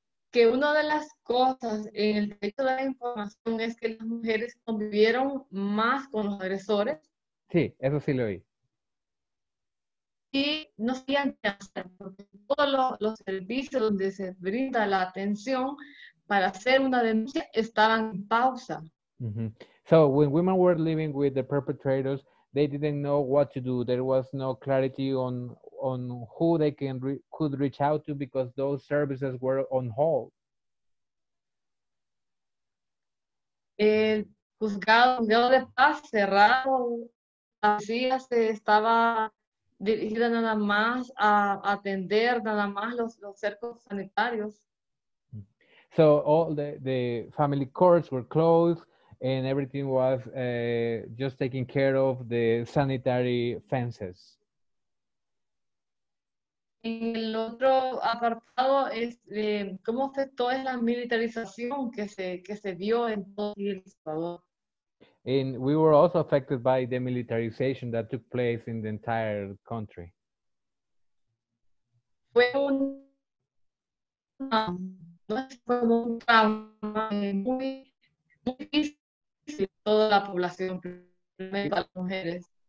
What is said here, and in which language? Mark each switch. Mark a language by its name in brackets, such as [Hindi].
[Spanish] Que una de las cosas en el derecho de la información es que las mujeres convivieron más con los agresores. Sí, eso sí lo oí. Y no sabían qué hacer, porque todos los servicios donde se brinda la atención para hacer una denuncia estaban en pausa. Mm-hmm. [English] So, when women were living with the perpetrators, they didn't know what to do. There was no clarity on who they could reach out to because those services were on hold. [Spanish] El juzgado de paz cerrado, así se estaba dirigida nada más a atender nada más los cercos sanitarios. [English] So all the family courts were closed and everything was just taking care of the sanitary fences. [Spanish] En el otro apartado es cómo afectó es la militarización que se vio en todo el Salvador. [English] And we were also affected by the militarization that took place in the entire country. [Spanish] Fue un trauma muy difícil para toda la población, principalmente para las mujeres.